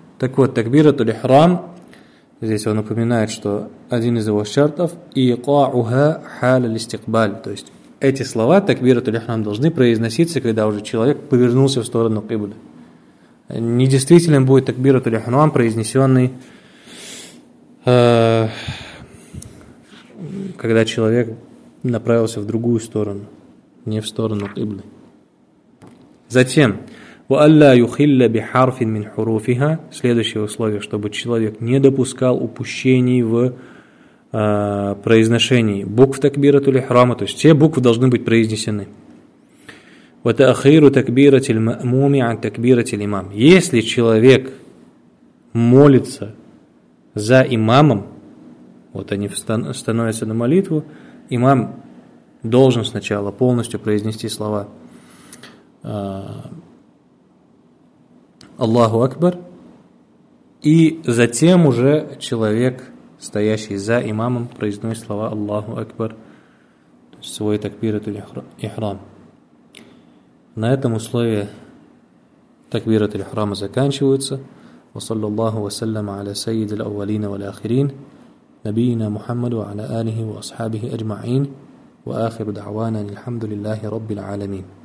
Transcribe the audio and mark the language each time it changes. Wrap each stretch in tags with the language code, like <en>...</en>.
<ru>Так вот, такбират аль-ихрам, здесь он упоминает, что один из его шартов</ru> <ar>«Икауха халя листикбаль»,</ar> <ru>то есть эти слова такбират аль-ихрам должны произноситься, когда уже человек повернулся в сторону кибли. Недействителен будет такбират аль-ихрам, произнесенный когда человек направился в другую сторону, не в сторону кыблы. Затем,</ru> <ar>وَأَلَّا يُخِلَّ بِحَرْفٍ مِنْ حُرُوفِهَا.</ar> <ru>Следующее условие, чтобы человек не допускал упущений в произношении букв такбирату лихрама, то есть все буквы должны быть произнесены.</ru> <ar>وَتَأْخِيرُ تَكْبِيرَةِ الْمَأْمُومِ عَنْ تَكْبِيرَةِ الْإِمَامِ.</ar> <ru>Если человек молится за имамом, вот они становятся на молитву, имам должен сначала полностью произнести слова «Аллаху Акбар», и затем уже человек, стоящий за имамом, произносит слова «Аллаху Акбар», то есть свой такбират аль-ихрам. На этом условии такбират аль-ихрама заканчиваются.</ru> <ar>وصلى الله وسلم على سيد الأولين والآخرين نبينا محمد وعلى آله وأصحابه أجمعين وآخر دعوانا الحمد لله رب العالمين.</ar>